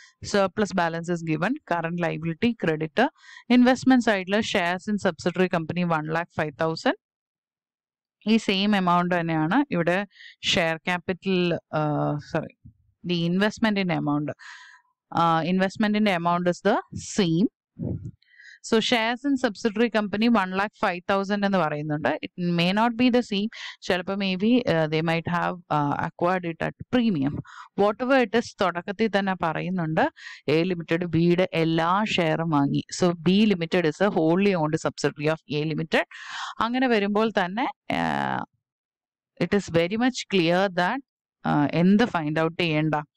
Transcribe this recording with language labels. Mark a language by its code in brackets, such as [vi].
[en] Surplus balance is given. Current liability credit. Investment സൈഡിൽ shares in subsidiary company 1,05,000. [ml] ഈ same amount തന്നെയാണ് ഇവിടെ share capital, sorry, the ഇൻവെസ്റ്റ്മെന്റിന്റെ amount. [en] ഇൻവെസ്റ്റ്മെന്റിന്റെ amount is the same. So, shares in subsidiary company 1,05,000 [ml] എന്ന് പറയുന്നുണ്ട്. [en] It may not be the same. [ml] ചിലപ്പോൾ [en] May be they might have acquired it at premium. Whatever it is, [ml] തുടക്കത്തിൽ തന്നെ പറയുന്നുണ്ട് A limited ബിയുടെ എല്ലാ ഷെയറും വാങ്ങി. [en] So B limited is a wholly owned subsidiary of A limited. [ml] അങ്ങനെ വരുമ്പോൾ തന്നെ [en] it is very much clear that [ml] എന്ത് ഫൈൻഡ് ഔട്ട് ചെയ്യേണ്ട.